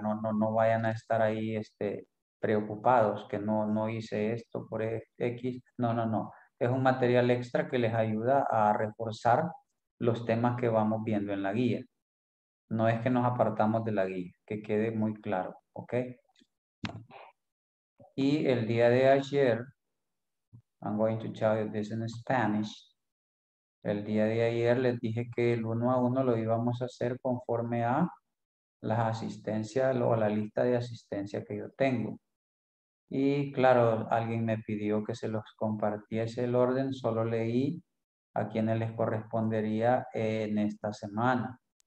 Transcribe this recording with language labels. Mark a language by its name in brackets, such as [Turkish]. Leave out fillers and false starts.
[Spanish] No vayan a estar ahí preocupados que no hice esto por X. No. Es un material extra que les ayuda a reforzar los temas que vamos viendo en la guía. No es que nos apartamos de la guía, que quede muy claro, ¿ok? Y el día de ayer, [English] I'm going to tell you this in Spanish. [Spanish] El día de ayer les dije que el uno a uno lo íbamos a hacer conforme a las asistencias o la lista de asistencia que yo tengo. Y claro, alguien me pidió que se los compartiese el orden, solo leí a quienes les correspondería en esta semana.